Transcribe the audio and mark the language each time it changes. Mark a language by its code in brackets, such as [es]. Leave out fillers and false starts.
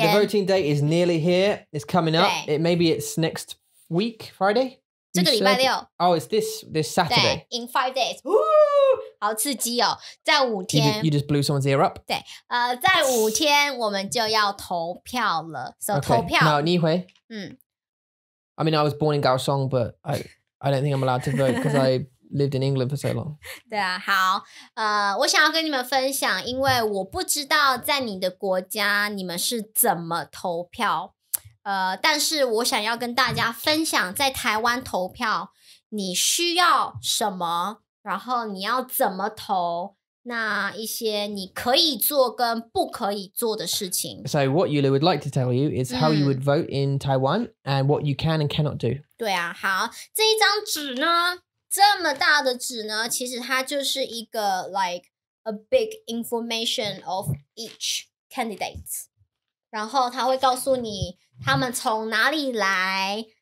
[en] So the voting date is nearly here. It's coming up. Maybe it's next week, Friday? [zh] 这个礼拜六。 [en] Oh, it's this Saturday. In 5 days. Woo! [zh] 好刺激哦。在五天。 [en] You just blew someone's ear up? [zh] 对。在五天我们就要投票了。 [en] So, okay, [zh] 投票。那你回。嗯。 [en] I mean, I was born in Kaohsiung, but I don't think I'm allowed to vote because I... lived in England for so long. [zh] 对啊，好，我想要跟你们分享，因为我不知道在你的国家你们是怎么投票，但是我想要跟大家分享，在台湾投票你需要什么，然后你要怎么投，那一些你可以做跟不可以做的事情。 [en] So what Yulu would like to tell you is how you would vote in Taiwan and what you can and cannot do. [zh] 对啊，好，这一张纸呢？这么大的纸呢，其实它就是一个 [en] like a big information of each candidate， [zh] 然后它会告诉你他们从哪里来，